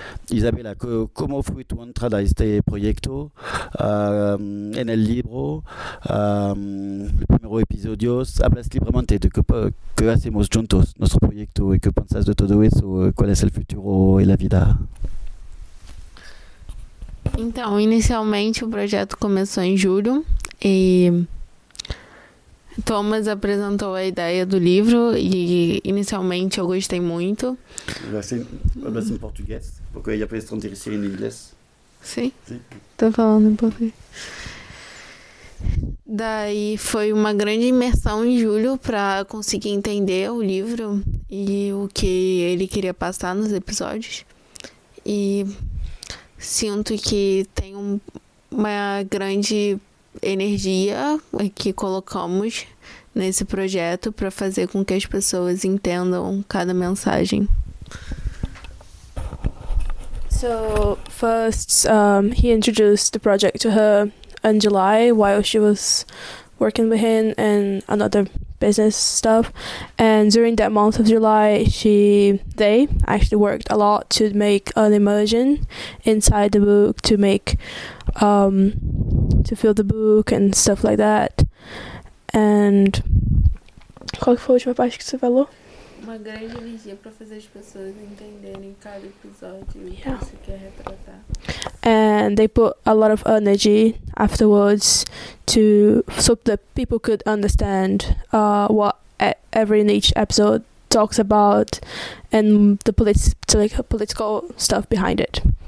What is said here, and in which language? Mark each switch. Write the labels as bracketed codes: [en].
[es] Isabella, comment fue tu entrada a este proyecto en el libro? Los primeros episodios, hablas libremente de qué hacemos juntos, nuestro proyecto, y qué piensas de todo eso, cuál es el futuro y la vida. [pt] Então, inicialmente o projeto começou em julho e Thomas apresentou a ideia do livro e inicialmente eu gostei muito. Mas em português? Porque eu ia poder estar em inglês. Sim. Estou falando em português. Daí foi uma grande imersão em julho para conseguir entender o livro e o que ele queria passar nos episódios. E sinto que tem uma grande energia que colocamos nesse projeto para fazer com que as pessoas entendam cada mensagem. [en] So first, he introduced the project to her in July while she was working with him and another business stuff. And during that month of July, they actually worked a lot to make an immersion inside the book, to make to fill the book and stuff like that. [pt] And qual que foi a última parte que você falou? Uma grande energia para fazer as pessoas entenderem cada episódio e o que se quer retratar. [en] And they put a lot of energy afterwards so that people could understand what every each episode talks about and the political stuff behind it.